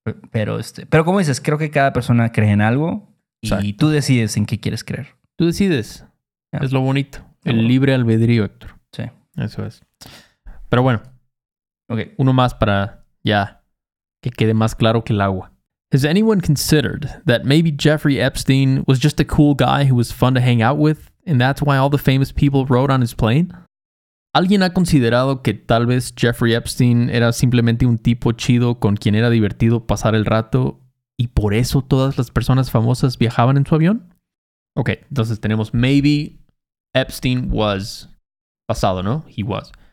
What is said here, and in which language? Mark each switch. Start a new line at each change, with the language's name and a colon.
Spanish: Pero como dices, creo que cada persona cree en algo. Y tú decides en qué quieres creer. Tú decides. Yeah. Es lo bonito. El libre albedrío, Héctor. Sí. Eso es. Pero bueno, okay. Uno más para ya que quede más claro que el agua.
English: Has anyone considered that maybe Jeffrey Epstein was just a cool guy who was fun to hang out with and that's why all the famous people rode on his plane?
Spanish: ¿Alguien ha considerado que tal vez Jeffrey Epstein era simplemente un tipo chido con quien era divertido pasar el rato y por eso todas las personas famosas viajaban en su avión? Okay, entonces tenemos
English: maybe Epstein was
Spanish: pasado, ¿no?
English: He was.